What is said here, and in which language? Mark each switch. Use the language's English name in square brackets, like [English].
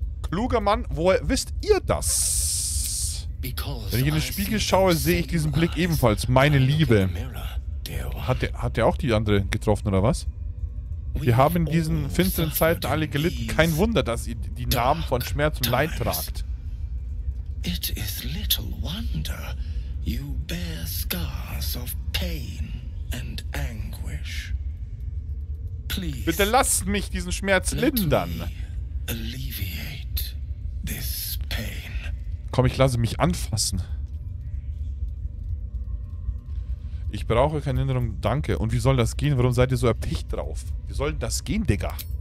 [German] Kluger Mann, woher wisst ihr das? Wenn ich in den Spiegel schaue, sehe ich diesen Blick ebenfalls. Meine Liebe. Hat der auch die andere getroffen, oder was? Wir haben in diesen finsteren Zeiten alle gelitten. Kein Wunder, dass ihr die Namen von Schmerz und Leid tragt. [English] It is little wonder you bear scars of pain and anguish. [German] Please, bitte lasst mich diesen Schmerz lindern. [English] Alleviate this pain. [German] Komm, ich lasse mich anfassen. Ich brauche keine Erinnerung, danke. Und wie soll das gehen? Warum seid ihr so erpicht drauf? Wie soll das gehen, Digga?